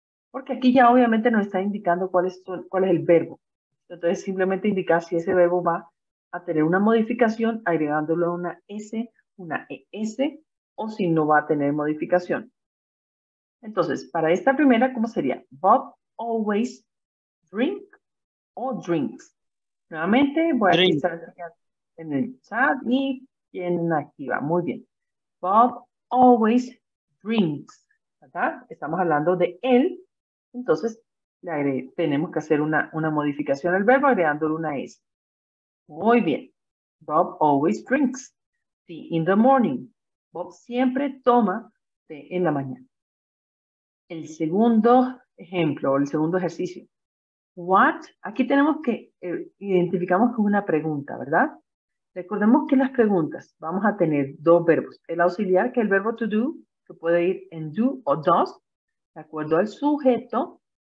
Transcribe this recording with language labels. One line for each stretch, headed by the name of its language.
Spanish: Porque aquí ya obviamente nos está indicando cuál es el verbo. Entonces simplemente indicar si ese verbo va a tener una modificación agregándolo a una S, una ES, o si no va a tener modificación. Entonces, para esta primera, ¿cómo sería?
English: Bob always drink o drinks.
Spanish: Nuevamente, voy drink. A estar en el chat y quien activa. Muy bien.
English: Bob always drinks.
Spanish: ¿Verdad? Estamos hablando de él. Entonces, tenemos que hacer una modificación al verbo agregándole una S. Muy bien.
English: Bob always drinks tea in the morning.
Spanish: Bob siempre toma té en la mañana. El segundo ejemplo, o el segundo ejercicio. What? Aquí tenemos que identificamos con una pregunta, ¿verdad? Recordemos que las preguntas, vamos a tener dos verbos. El auxiliar, que es el verbo to do, que puede ir en do o does, de acuerdo al sujeto.